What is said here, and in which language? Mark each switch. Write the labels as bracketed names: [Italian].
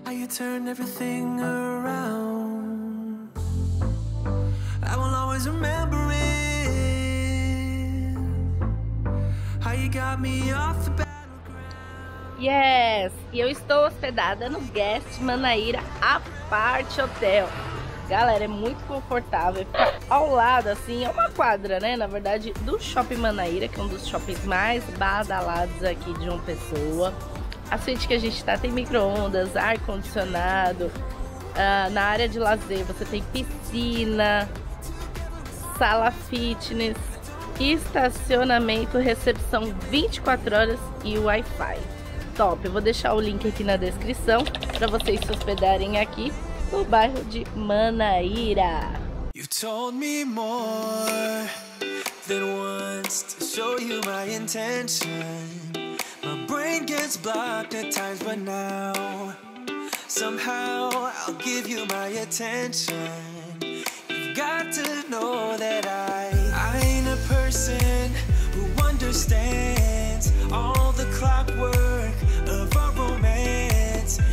[English] Turn everything around. I will always remember it. How you got me off the battleground. Yes! [Portuguese] E eu estou hospedada no Guest Manaíra Apart Hotel. Galera, é muito confortável. Fica ao lado, assim, é uma quadra, né? Na verdade, do Shopping Manaíra, que é um dos shoppings mais badalados aqui de João Pessoa. A suíte que a gente tá tem micro-ondas, ar-condicionado, na área de lazer você tem piscina, sala fitness, estacionamento, recepção 24 horas e Wi-Fi. Top! Eu vou deixar o link aqui na descrição para vocês se hospedarem aqui no bairro de Manaíra. [English] You told me more than once to show you my intention. My brain gets blocked at times, but now somehow I'll give you my attention. You've got to know that I ain't a person who understands all the clockwork of our romance.